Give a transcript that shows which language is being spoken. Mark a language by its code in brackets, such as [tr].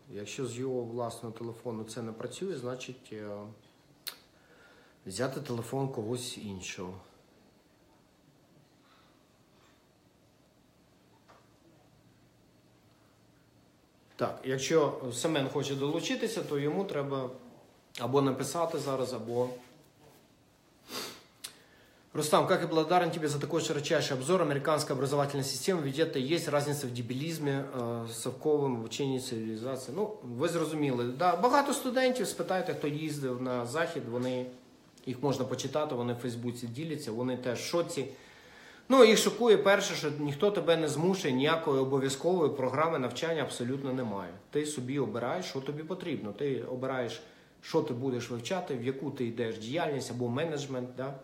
[uk] Якщо з його власного телефону це не працює, значить взяти телефон когось іншого. Так, якщо Семен хоче долучитися, то йому треба або написати зараз, або... [ru] Рустам, как я благодарен тебе за такой широчайший обзор. Американская образовательная система, ведь это и есть разница в дебилизме, совковом обучении, цивилизации. [uk] Ну, вы зрозуміли. Да, багато студентів спитайте, хто їздив на Захід, вони, їх можна почитати, вони в Фейсбуці діляться, вони теж в шоці. Ну, їх шокує перше, що ніхто тебе не змушує, ніякої обов'язкової програми навчання абсолютно немає. Ти собі обираєш, що тобі потрібно. Ти обираєш, що ти будеш вивчати, в яку ти йдеш діяльність, або менеджмент, да?